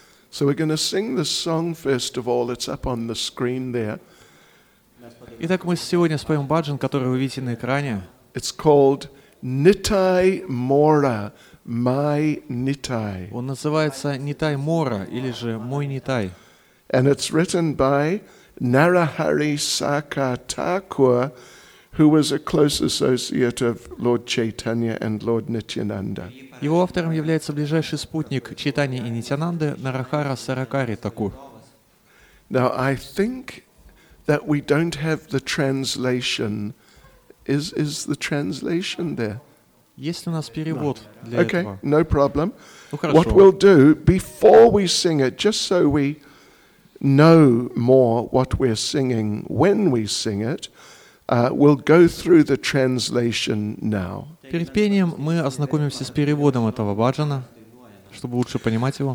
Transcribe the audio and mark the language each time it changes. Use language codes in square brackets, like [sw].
[en] So we're going to sing the song first of all. It's up on the screen there. [ru] Итак, мы сегодня споем баджан, который вы видите на экране. [en] It's called Nitai Mora, My Nitai. [ru] Он называется Nitai Mora, или же Мой Нитай. [en] And it's written by Narahari Saka Thakur, who was a close associate of Lord Chaitanya and Lord Nityananda. [ru] Его автором является ближайший спутник Чайтани и Нитянанды Нарахара Саракари Такур. [en] Now I think that we don't have the translation. Is the translation there? [ru] Есть ли у нас перевод для этого? [en] Okay, no problem. [ru] Хорошо. [en] What we'll do before we sing it, just so we know more what we're singing when we sing it. We'll go through the translation now. [ru] Перед пением мы ознакомимся с переводом этого баджана, чтобы лучше понимать его.